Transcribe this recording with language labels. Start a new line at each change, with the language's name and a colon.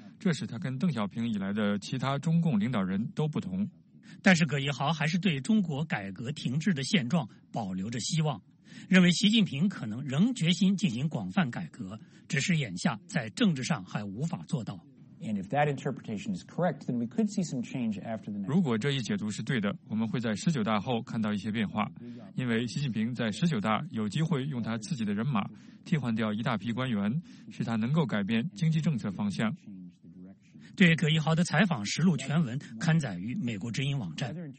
Chinese: 这使他跟邓小平以来的其他中共领导人都不同。但是葛益豪还是对中国改革停滞的现状保留着希望，认为习近平可能仍决心进行广泛改革，只是眼下在政治上还无法做到。
English: And if that interpretation is correct, then we could see some change after the next.
Chinese: 如果这一解读是对的，我们会在19大后看到一些变化，因为习近平在19大有机会用他自己的人马替换掉一大批官员，使他能够改变经济政策方向。对葛益豪的采访实录全文刊载于美国之音网站。